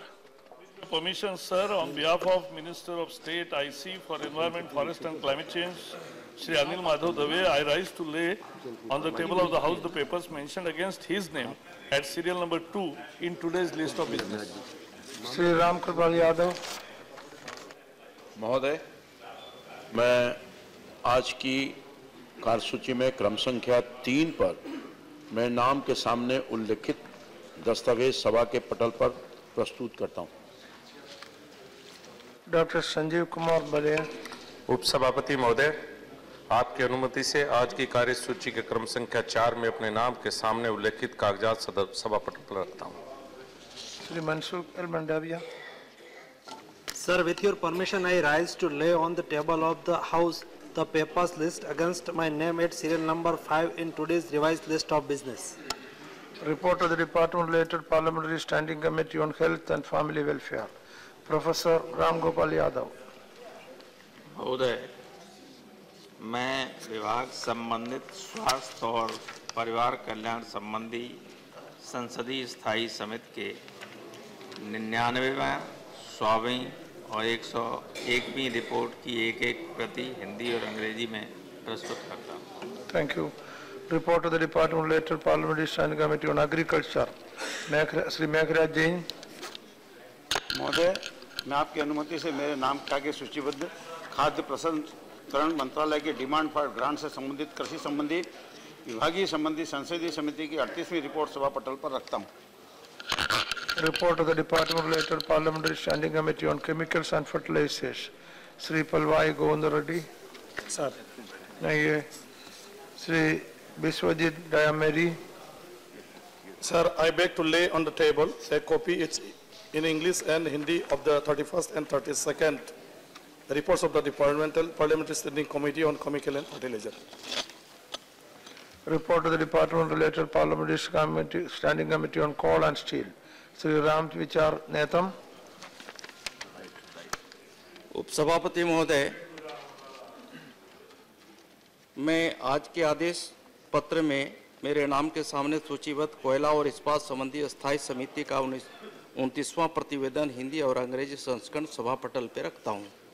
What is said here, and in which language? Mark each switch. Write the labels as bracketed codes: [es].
[en] With permission, sir, on behalf of Minister of State IC for Environment, Forest and Climate Change, Sri Anil Madhav Dave, I rise to lay on the table of the House the papers mentioned against his name at serial number 2 in today's list of business. Sri Ram Kripal Yadav. [hi] Mahoday, main aaj ki कार्यसूची में क्रम संख्या 3 पर मैं नाम के सामने उल्लेखित दस्तावेज सभा के पटल पर प्रस्तुत करता हूं। डॉक्टर संजीव कुमार बले। उपसभापति महोदय, आपकी अनुमति से आज की कार्यसूची के क्रम संख्या 4 में अपने नाम के सामने उल्लेखित कागजात सभा पटल पर रखता हूं। Shri Mansukh L Mandaviya. [en] Sir, with your permission I rise to lay on the table of the house the papers list against my name at serial number 5 in today's revised list of business. Report of the department related parliamentary standing committee on health and family welfare. Professor Ram Gopal Yadav. [hi] Mahoday, main vibhag sambandhit swasth aur parivar kalyan sambandhi sansadi sthayi samit ke 99वें 100वें और 101वीं report की एक एक प्रति हिंदी और अंग्रेजी में प्रस्तुत करता हूँ। [en] Thank you. Report of the department related parliamentary standing committee on agriculture, Shri Meghraj Jain. [hi] महोदय, मैं आपकी अनुमति से मेरे नाम के सूचीबद्ध खाद्य प्रसंस्करण मंत्रालय के डिमांड फॉर ग्रांट से संबंधित कृषि संबंधी विभागीय संबंधी संसदीय समिति की 38वीं रिपोर्ट सभा पटल पर रखता हूँ। [en] Report of the Department related Parliamentary Standing Committee on Chemicals and Fertilizers, Sri Palvai Govindaradi. Sir. [hi] Nahiye. Sri Biswajit Dayamedi. [en] Sir, I beg to lay on the table a copy, it's in English and Hindi, of the 31st and 32nd reports of the Departmental Parliamentary Standing Committee on Chemical and Fertilizer. Report of the Department related Parliamentary Standing Committee on Coal and Steel, Sri Ram Vichar Netham. [hi] उपसभापति महोदय, मैं आज के आदेश पत्र में मेरे नाम के सामने सूचीबद्ध कोयला और इस्पात संबंधी स्थायी समिति का 29वां प्रतिवेदन हिंदी और अंग्रेजी संस्करण सभा पटल पर रखता हूँ।